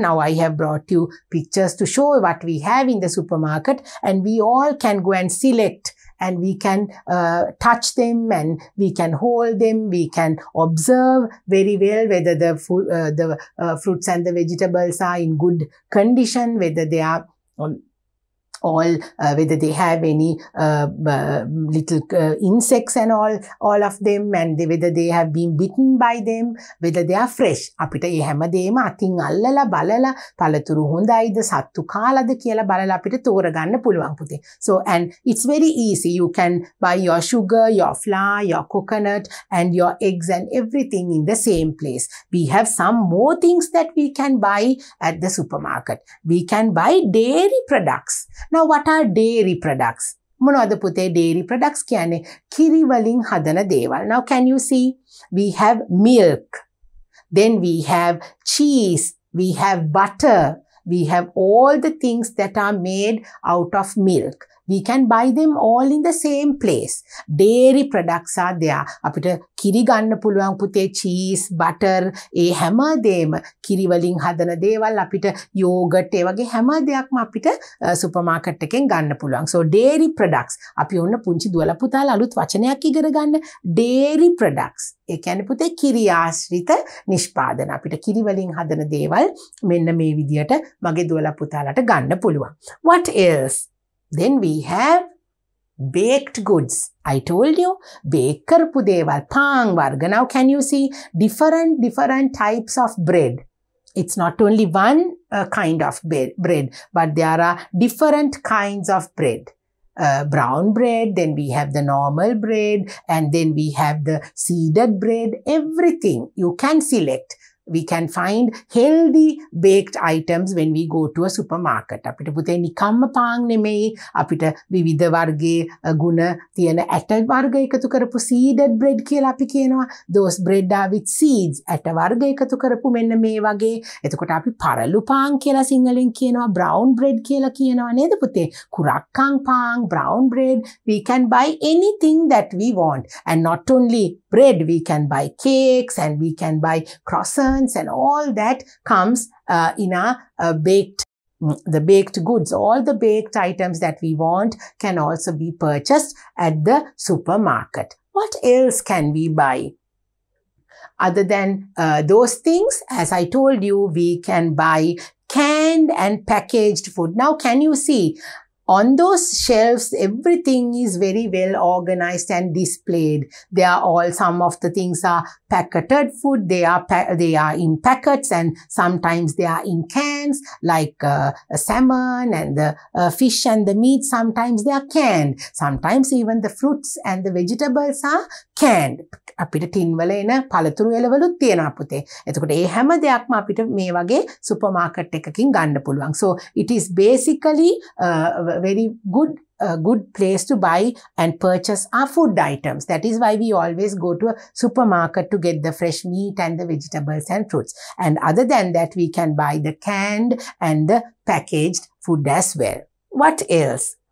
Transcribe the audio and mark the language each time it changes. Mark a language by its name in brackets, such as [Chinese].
[English] Now I have brought you pictures to show what we have in the supermarket and we all can go and select and we can touch them and we can hold them, we can observe very well whether the fruits and the vegetables are in good condition, whether they are whether they have any little insects and all of them and whether they have been bitten by them, whether they are fresh. [Sinhala] අපිට ඒ හැමදේම අතින් අල්ලලා බලලා පළතුරු හොඳයිද සත්තු කාලාද කියලා බලලා අපිට තෝරගන්න පුළුවන් පුතේ. [English] So and it's very easy. You can buy your sugar, your flour, your coconut and your eggs and everything in the same place. We have some more things that we can buy at the supermarket. We can buy dairy products. Now, what are dairy products? [Sinhala] මොනවද පුතේ dairy products කියන්නේ? කිරි වලින් හදන දේවල්. [English] Now, can you see? We have milk. Then we have cheese. We have butter. We have all the things that are made out of milk. We can buy them all in the same place. Dairy products are there. [Sinhala] අපිට කිරි ගන්න පුළුවන් පුතේ cheese, butter, ඒ හැම දෙම කිරි වලින් හදන දේවල් අපිට yogurt ඒ වගේ හැම දෙයක්ම අපිට supermarket එකෙන් ගන්න පුළුවන්. [English] So dairy products. [Sinhala] අපි ඔන්න පුංචි දුවලා පුතාලා අලුත් වචනයක් ඉගෙන ගන්න. [English] Dairy products. [Sinhala] ඒ කියන්නේ පුතේ කිරි ආශ්‍රිත නිෂ්පාදන. අපිට කිරි වලින් හදන දේවල් මෙන්න මේ විදියට මගේ දුවලා පුතාලාට ගන්න පුළුවන්. [English] What else? Then we have baked goods. I told you, baker [Sinhala] pudeval, pang varga. [English] Now can you see different types of bread? It's not only one kind of bread, but there are different kinds of bread. Brown bread, then we have the normal bread, and then we have the seeded bread. Everything you can select. we can find healthy baked items when we go to a supermarket. [Sinhala] අපිට පුතේ නිකම්ම පාන් නෙමෙයි අපිට විවිධ වර්ගයේ ගුණ තියෙන ඇට වර්ග එකතු කරපු seeded bread කියලා අපි කියනවා. [English] Those bread are with seeds. [Sinhala] ඇට වර්ග එකතු කරපු මෙන්න මේ වගේ. එතකොට අපි පරලු පාන් කියලා සිංහලෙන් කියනවා. Brown bread කියලා කියනවා නේද පුතේ? කුරක්කන් පාන්, [English] brown bread. We can buy anything that we want. And not only bread, we can buy cakes and we can buy croissants. And all that comes in our baked goods. All the baked items that we want can also be purchased at the supermarket. What else can we buy? Other than those things, as I told you, we can buy canned and packaged food. Now, can you see? On those shelves, everything is very well organized and displayed. They are all, some of the things are packeted food. They are in packets and sometimes they are in cans, like salmon and the fish and the meat. Sometimes they are canned. Sometimes even the fruits and the vegetables are canned. [Sinhala] අපිට tin වල එන පළතුරු එළවලුත් තියෙනවා පුතේ. එතකොට මේ හැම දෙයක්ම අපිට මේ වගේ සුපර් මාකට් එකකින් ගන්න පුළුවන්. [English] So it is basically very good good place to buy and purchase our food items. That is why we always go to a supermarket to get the fresh meat and the vegetables and fruits. And other than that, we can buy the canned and the packaged food as well. What else?